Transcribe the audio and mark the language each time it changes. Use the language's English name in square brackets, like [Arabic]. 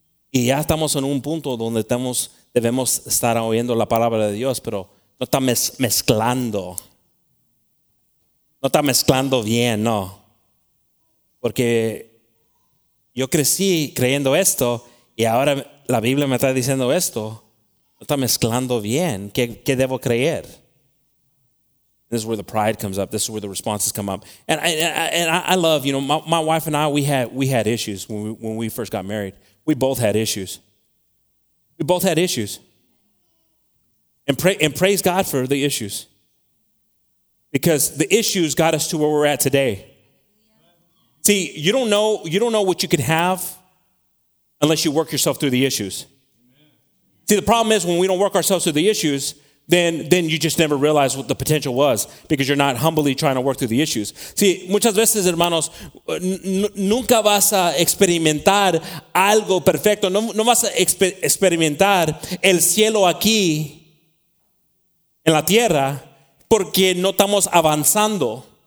[Spanish] Y ya estamos en un punto donde debemos estar oyendo la palabra de Dios, pero no está mezclando. No está mezclando bien, no. Porque yo crecí creyendo esto y ahora la Biblia me está diciendo esto. No está mezclando bien. ¿Qué debo creer? [English] This is where the pride comes up. This is where the responses come up. And I love, you know, my wife and I, we had issues when we first got married. We both had issues. We both had issues. And praise God for the issues. Because the issues got us to where we're at today. See, you don't know what you can have unless you work yourself through the issues. See, the problem is when we don't work ourselves through the issues, then you just never realize what the potential was, because you're not humbly trying to work through the issues. [Spanish] See, muchas veces, hermanos, nunca vas a experimentar algo perfecto. No vas a experimentar el cielo aquí en la tierra porque no estamos avanzando.